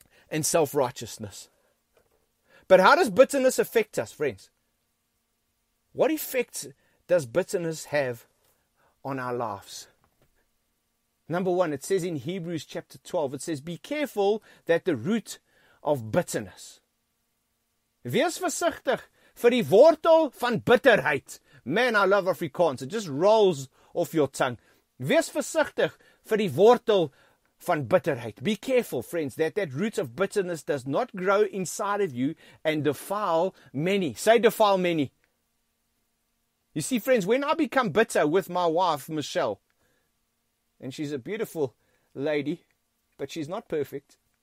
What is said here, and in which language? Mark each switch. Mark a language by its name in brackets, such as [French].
[English] And self-righteousness. But how does bitterness affect us, friends? What effect does bitterness have on our lives? Number one, it says in Hebrews chapter 12, it says, be careful that the root of bitterness. [Afrikaans] Wees versigtig vir die wortel van bitterheid. [English] Man, I love Afrikaans. It just rolls off your tongue. [Afrikaans] Wees versigtig vir die wortel van bitterheid. [English] Be careful, friends, that root of bitterness does not grow inside of you and defile many. Say defile many. You see, friends, when I become bitter with my wife, Michelle, and she's a beautiful lady, but she's not perfect.